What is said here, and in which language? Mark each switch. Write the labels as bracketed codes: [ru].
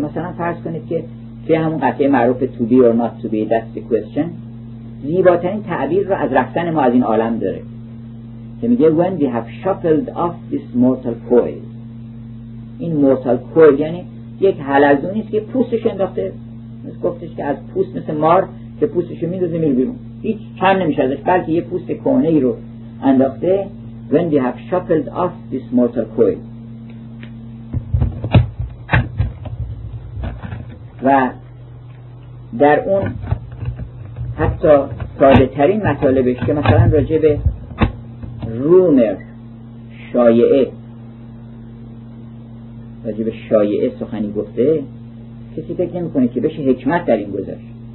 [fa] مثلا فرض کنید که توی همون قطعه معروف [en] To be or not to be, that's the question، [fa] زیباترین تعبیر رو از رفتن ما از این عالم داره که میگه [en] When we have shuffled off this mortal coil. [fa] این [en] mortal coil [fa] یعنی یک حلزونیست که پوستش انداخته، مثل گفتش که از پوست مثل مار که پوستشو میدوزه میره بیرون، هیچ کم نمیشه ازش، بلکه یه پوست کهنه ای رو انداخته. [en] When we have shuffled off this mortal coil. [fa] و در اون حتی ساده ترین مطالبش که مثلا راجع به رومر، شایعه، راجع به شایعه سخنی گفته، کسی فکر نمی کنه که بشه حکمت در این گذاشت.